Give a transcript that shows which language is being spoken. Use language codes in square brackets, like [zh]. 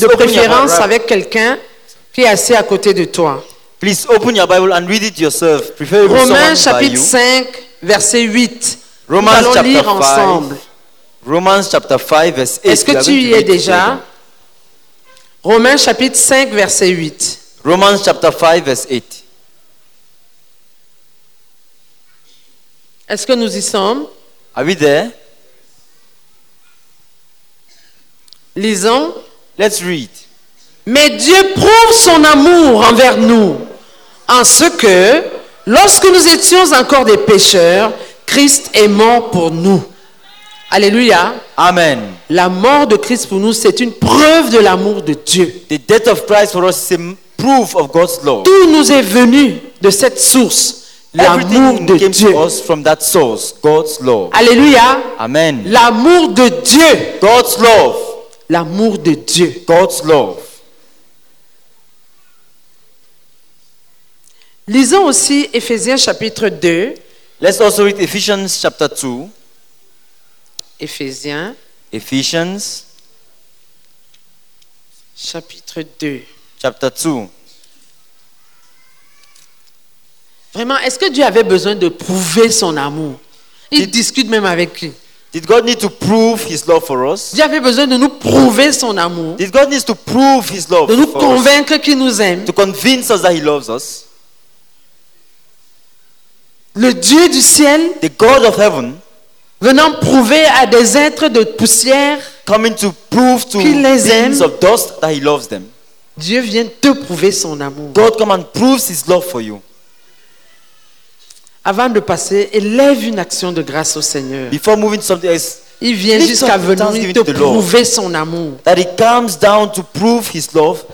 [fr] de préférence avec quelqu'un qui est assis à côté de toi. [en] Please open your Bible and read it yourself. [fr] Romains chapitre 5, verset 8. [en] Romans chapter 5. [fr] Allons lire ensemble. [en] Romans chapter 5, verse 8. [fr] Est-ce que tu y es déjà? Romains chapitre 5, verset 8. [en] Romans chapter 5, verse 8. [fr] Est-ce que nous y sommes? [en] Are we there? [fr] Lisons. [en] Let's read. [fr] Mais Dieu prouve son amour envers nous en ce que, lorsque nous étions encore des pécheurs, Christ est mort pour nous. Alléluia. Amen. La mort de Christ pour nous, c'est une preuve de l'amour de Dieu. [en] The death of Christ for us is a proof of God's love. [fr] Tout nous est venu de cette source, l'amour de Dieu. [en] Everything came to us from that source, God's love. [fr] Alléluia. Amen. L'amour de Dieu. [en] God's love. [fr] L'amour de Dieu. [en] God's love. [fr] Lisons aussi Éphésiens chapitre 2. [en] Let's also read Ephesians chapter 2. [fr] Éphésiens. [en] Ephesians. [fr] Chapitre 2. [en] Chapter 2. [fr] Vraiment, est-ce que Dieu avait besoin de prouver son amour? Il discute même avec lui. [en] Did God need to prove his love for us? [fr] Dieu avait besoin de nous prouver son amour. [en] Did God need to prove his love for us? [fr] De nous convaincre qu'il nous aime. [en] To convince us that he loves us. [fr] Le Dieu du ciel. [en] The God of heaven. [fr] Venant prouver à des êtres de poussière [en] coming to prove to [fr] qu'il les aime, [en] of dust that he loves them. [fr] Dieu vient te prouver son amour. [en] God come and proves his love for you. [fr] Avant de passer, élève une action de grâce au Seigneur. [en] Before moving to something else, [fr] il vient jusqu'à venir te prouver son amour. [en] That he comes down to prove his love.